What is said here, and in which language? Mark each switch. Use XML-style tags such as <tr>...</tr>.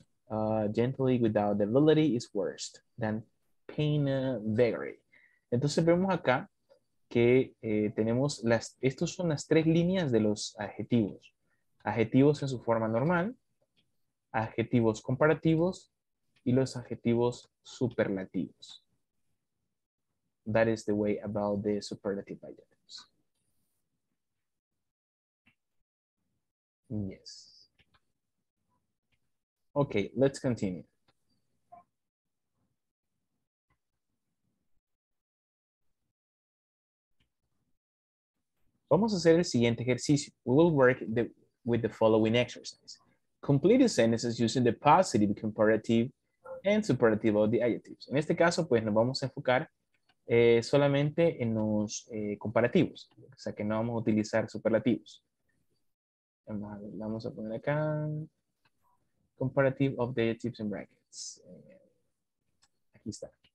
<en>Gently without ability is worse than pain vagary.</en> <es>Entonces vemos acá que tenemos las, estos son las tres líneas de los adjetivos. Adjetivos en su forma normal, adjetivos comparativos y los adjetivos superlativos.</es> <en>That is the way about the superlative adjectives. Yes. Okay, let's continue.</en> <es>Vamos a hacer el siguiente ejercicio.</es> <en>We will work with the following exercise. Complete the sentences using the positive comparative and superlative of the adjectives.</en> <es>En este caso, pues, nos vamos a enfocar solamente en los comparativos. O sea, que no vamos a utilizar superlativos. Vamos a poner acá.</es> <en>Comparative of the adjectives in brackets.</en> <es>Aquí está.</es>